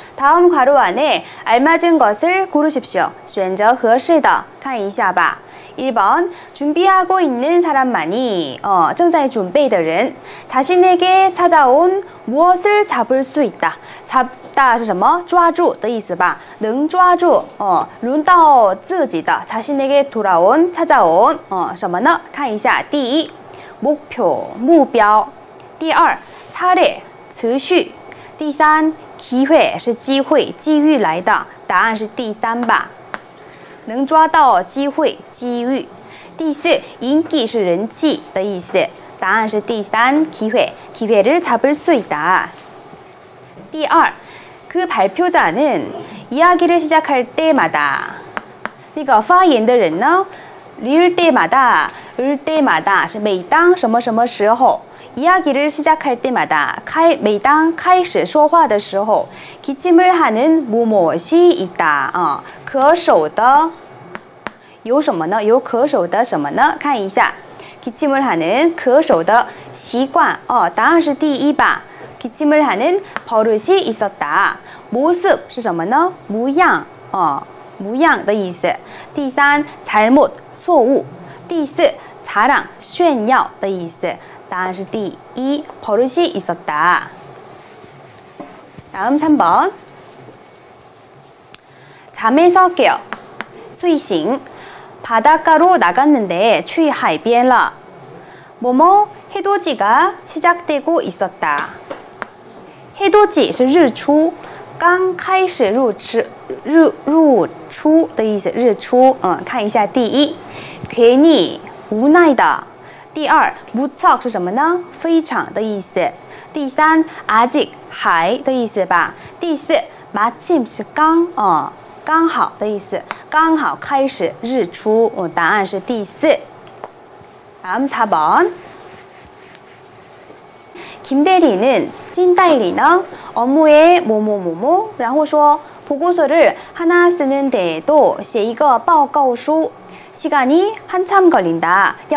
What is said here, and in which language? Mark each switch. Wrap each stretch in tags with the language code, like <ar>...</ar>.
<ko>다음 괄호 안에 알맞은 것을 고르십시오.</ko> <zh>选择合适的,看一下吧.1번.</zh> <ko>준비하고 있는 사람만이</ko> <zh>正在准备的人</zh> <ko>자신에게 찾아온 무엇을 잡을 수 있다.</ko> <zh>잡다是什么? 抓住的意思吧. 能抓住, 轮到自己的,</zh> <ko>자신에게 돌아온, 찾아온,</ko> <zh>什么呢? 看一下.第一, 목표, 目标. 第二, 차례, 次序. 第三, 기회, 机遇来的. 答案是第三吧.能抓到机会, 机遇. 第四, 인기是人气的意思. 答案是第三,</zh> <ko>기회. 기회를 잡을 수 있다. 第二, 그 발표자는 이야기를 시작할 때마다</ko> <zh>那个发言的人呢,</zh> <ko>를 때마다,</ko> <zh>是每当什么什么时候</zh> <ko>이야기를 시작할 때마다</ko> <zh>每当开始说话的时候</zh> <ko>기침을 하는 무엇이 있다.</ko> <zh>咳嗽的有什么呢?有咳嗽的什么呢?看一下.</zh> <ko>기침을 하는</ko> <zh>咳嗽的习惯. 答案是第一吧.</zh> <ko>기침을 하는 버릇이 있었다.</ko> <zh>모습是什么呢? 무양, 무양的意思. 第三, 잘못, 错误. 第四, 자랑, 炫耀的意思. 答案是第一,</zh> <ko>버릇이 있었다. 다음 3번. 잠에서 깨어,</ko> <zh>睡醒.</zh> <ko>바닷가로 나갔는데,</ko> <zh>去海边了.</zh> <ko>뭐뭐, 해돋이가 시작되고 있었다.</ko> <zh>해돋이是日出. 刚开始入出的意思,日出,看一下第一, 괜히,无奈的, 第二, 무척是什么呢? 非常的意思, 第三, 아직,还的意思吧, 第四, 마침是刚好的意思, 刚好开始日出,答案是第四.</zh> <ko>다음 4번. 김대리는, 찐대리는 업무에 뭐뭐뭐뭐</ko> <zh>然后说</zh> <ko>보고서를 하나 쓰는데도</ko> <zh>写一个报告书</zh> <ko>시간이 한참 걸린다.</ko>